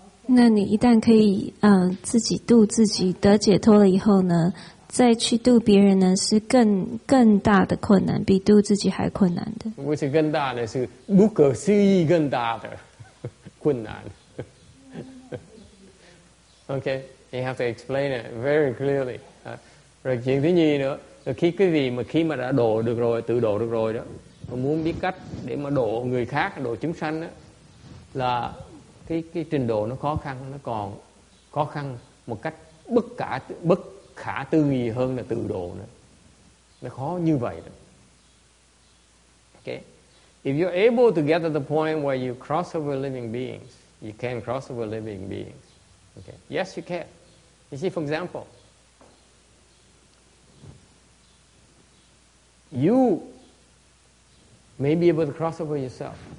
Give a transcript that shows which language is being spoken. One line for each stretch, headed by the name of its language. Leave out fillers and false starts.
Chinese: 那你一旦可以自己度自己得解脱了以后呢，再去度别人呢，是更大的困难，比度自己还困难的。不是更大的，是不可思议更大的困难。
English: Okay, you have to explain it very clearly.
Vietnamese: Rồi chuyện thứ nhì nữa, là khi cái gì mà khi mà đã độ được rồi, tự độ được rồi đó, mà muốn biết cách để mà độ người khác, độ chúng sanh đó, là cái trình độ nó khó khăn, nó còn khó khăn một cách bất khả tư nghi hơn là tự độ nữa. Nó khó như vậy đó.
English: Okay. If you're able to get to the point where you cross over living beings, you can cross over living beings. Okay. Yes, you can. You see, for example, you may be able to cross over yourself.